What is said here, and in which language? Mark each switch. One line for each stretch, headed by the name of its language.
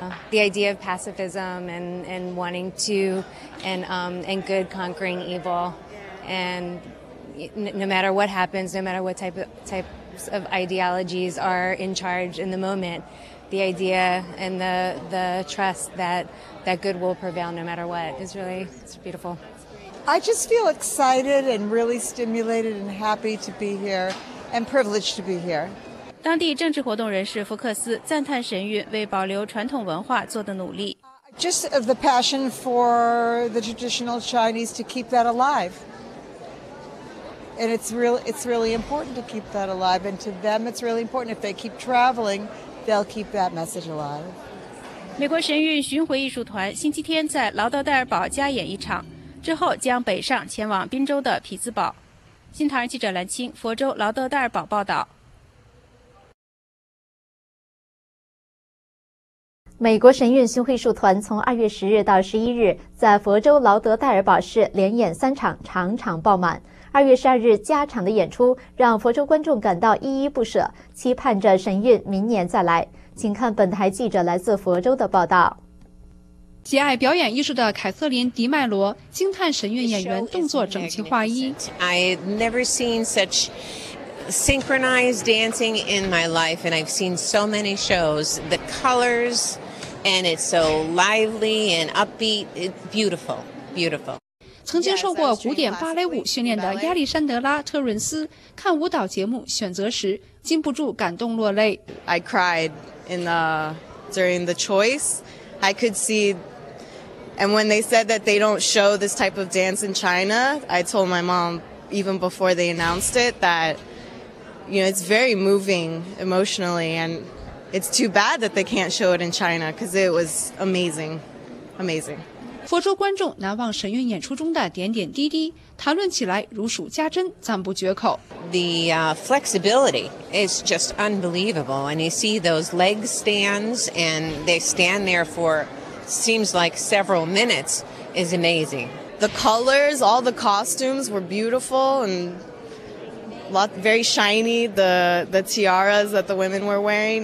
English: The idea of pacifism and wanting to, and good conquering evil, and no matter what happens, no matter what types of ideologies are in charge in the moment, the idea and the trust that good will prevail no matter what is really, it's beautiful. I just feel excited and really stimulated and happy to be here and privileged to be here.
Chinese: 当地政治活动人士福克斯赞叹神韵为保留传统文化做的努力。
English: Just the passion for the traditional Chinese to keep that alive. And it's really important to keep that alive. And to them, it's really important. If they keep traveling, they'll keep that message alive.
Chinese: 美国神韵巡回艺术团星期天在劳德戴尔堡加演一场，之后将北上前往宾州的匹兹堡。新唐人记者蓝青，佛州劳德戴尔堡报道。美国神韵巡回艺术团从2月10日到11日在佛州劳德戴尔堡市连演三场，场场爆满。 2月12日加场的演出让佛州观众感到依依不舍，期盼着神韵明年再来。请看本台记者来自佛州的报道。喜爱表演艺术的凯瑟琳·迪麦罗惊叹神韵演员动作整齐划一。
English: I've never seen suchSynchronized dancing in my life, and I've seen so many shows. The colors, and it's so lively and upbeat. It's beautiful, beautiful.
Chinese: 曾经受过古典芭蕾舞训练的亚历山德拉·特伦斯看舞蹈节目选择时，禁不住感动落泪。
English: I cried in the during the choice. I could see, and when they said that they don't show this type of dance in China, I told my mom even before they announced it that. You know, it's very moving emotionally, and it's too bad that they can't show it in China because it was amazing, amazing.
Chinese: 佛州观众难忘神韵演出中的点点滴滴，谈论起来如数家珍，赞不绝口。
English: The flexibility is just unbelievable, and you see those leg stands, and they stand there for seems like several minutes is amazing. The colors, all the costumes were beautiful, and. Lot, very shiny, the tiaras that the women were wearing.